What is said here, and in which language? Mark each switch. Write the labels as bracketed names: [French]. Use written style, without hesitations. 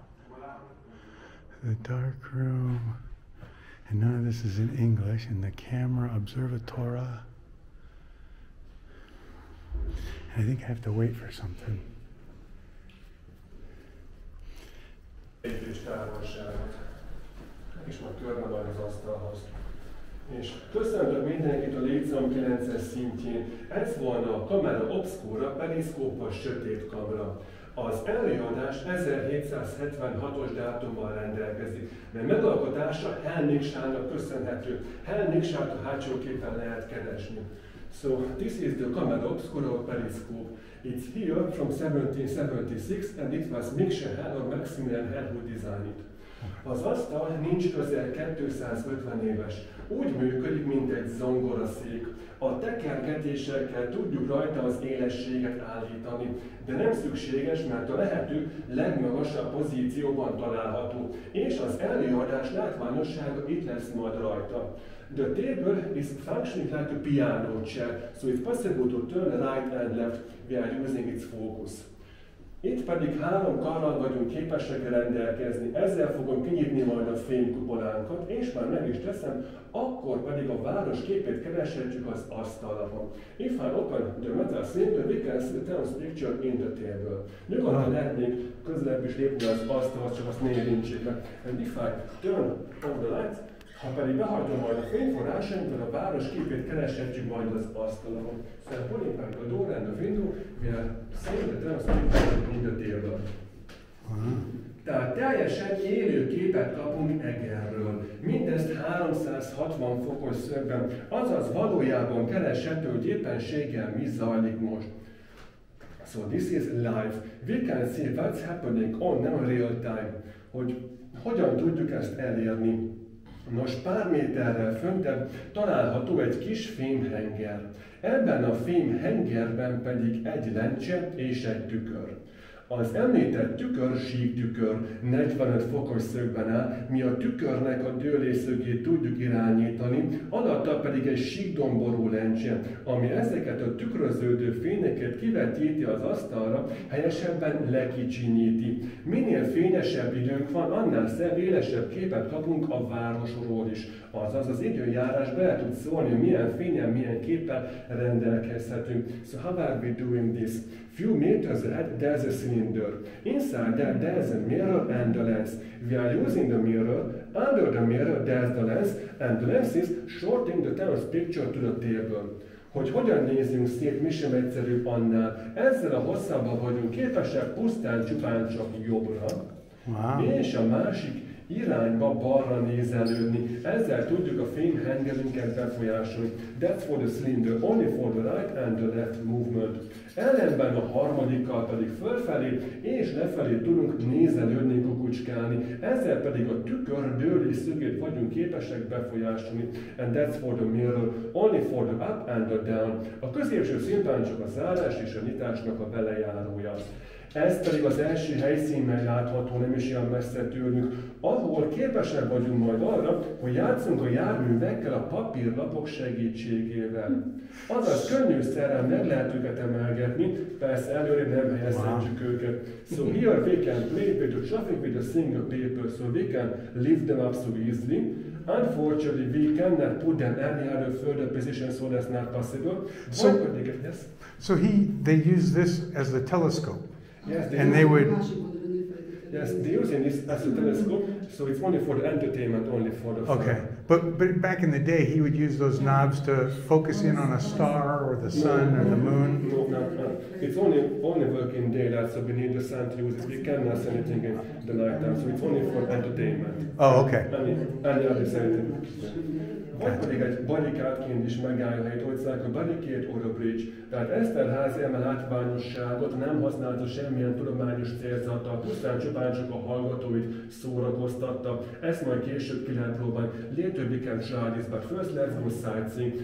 [English] Voilà. the dark room, and none of this is in English, and the Camera Obscura. I think I have to wait for something. [Hungarian] Egyfős távolságot, és majd törve majd az asztalhoz. És köszöntök mindenkit a létszám 9-es szintjén. Ez volna a Camera Obscura, periszkópos sötét kamera. Az előadás 1776-os dátummal rendelkezik, mert megalkotása Hell Miksának köszönhető. Hell Miksát a hátsó képen lehet keresni. [English] So this is the Camera Obscura periscope. It's here from 1776 and it was Miksa Hell or Maximilian Hell who designed it. [Hungarian] Az asztal nincs közel 250 éves. Úgy működik, mint egy zongoraszék. A tekergetésekkel tudjuk rajta az élességet állítani, de nem szükséges, mert a lehető legmagasabb pozícióban található, és az előadás látványossága itt lesz majd rajta. [English] The table is functioning like a piano chair, so it's possible to turn right and left. We are using its focus. [Hungarian] Itt pedig három karral vagyunk képesek rendelkezni, ezzel fogom kinyitni majd a fénykupolánkat, és már meg is teszem, akkor pedig a város képét kereshetjük az asztalon. [English] If I open the metal cylinder, we can see the picture in the table. [Hungarian] Nyugodtan lehetnénk közelebb is lépni az asztalhoz, csak azt nézzünk meg. [English] And if I turn on the lights, [Hungarian] ha pedig behajtom majd a fényforrásaim, akkor a város képét kereshetjük majd az asztalon. [English] So I'm pulling back the door and the window, we are seeing the transcription in the table. [Hungarian] Tehát teljesen élő képet kapunk Egerről. Mindezt 360 fokos szögben, azaz valójában kereshető, hogy éppenséggel mi zajlik most. [English] So this is live. We can see what's happening on, not real time. [Hungarian] Hogy hogyan tudjuk ezt elérni? Nos, pár méterrel föntebb található egy kis fémhenger. Ebben a fémhengerben pedig egy lencse és egy tükör. Az említett tükör síktükör, 45 fokos szögben áll, mi a tükörnek a dőlésszögét tudjuk irányítani, alatta pedig egy síkdomború lencse, ami ezeket a tükröződő fényeket kivetíti az asztalra, helyesebben lekicsinyíti. Minél fényesebb időnk van, annál szebb, élesebb képet kapunk a városról is. Azaz az időjárás be tud szólni, milyen fényen, milyen képpel rendelkezhetünk. [English] So how are we doing this? Few meters ahead, there's a cylinder. Inside that, there's a mirror and the lens. We are using the mirror. Under the mirror, there's the lens. And the lens is shorting the terrace picture to the table. [Hungarian] Hogy hogyan nézzünk szét, mi sem egyszerűbb annál. Ezzel a hosszabban vagyunk képesek pusztán csupán csak jobbra. [English] Wow. [Hungarian] És a másik irányba balra nézelődni. Ezzel tudjuk a fényhengerünket befolyásolni. [English] That's for the cylinder, only for the right and the left movement. [Hungarian] Ellenben a harmadikkal pedig fölfelé és lefelé tudunk nézelődni, kukucskálni. Ezzel pedig a tükör dőlés szögét vagyunk képesek befolyásolni. [English] And that's for the mirror, only for the up and the down. [Hungarian] A középső szinten csak a zárás és a nyitásnak a belejárója. Ez pedig az első helyszínben látható, nem is ilyen messze tőlünk, ahol képesek vagyunk majd arra, hogy játszunk a járművekkel a papírlapok segítségével. Azaz könnyű szerrel meg lehet őket emelgetni, persze előre nem helyezhetjük őket. [English] So here we can play with the traffic with a single paper, so we can lift them up so easily. Unfortunately, we cannot put them any other further position, so that's not possible. So, they use this as the telescope. Yes, and they would. Yes, they're using this as a telescope, so it's only for the entertainment, only for the. Okay, but back in the day, he would use those knobs to focus in on a star or the sun or the moon. No. It's only working daylight, so we need the sun to use it. We cannot see anything in the nighttime, so it's only for entertainment. Oh, okay. Any other setting. [Hungarian] Vagy pedig egy barikádként is megállja a helyét, hogy szállják a barikét [English] or a bridge. [Hungarian] Tehát Eszterházi emel látványosságot nem használta semmilyen tudományos célzattal, pusztán csupán csak a hallgatóit szórakoztatta. Ezt majd később ki lehet próbálni. Létőbbi kell zsádiz, [English] but first let's go sightseeing.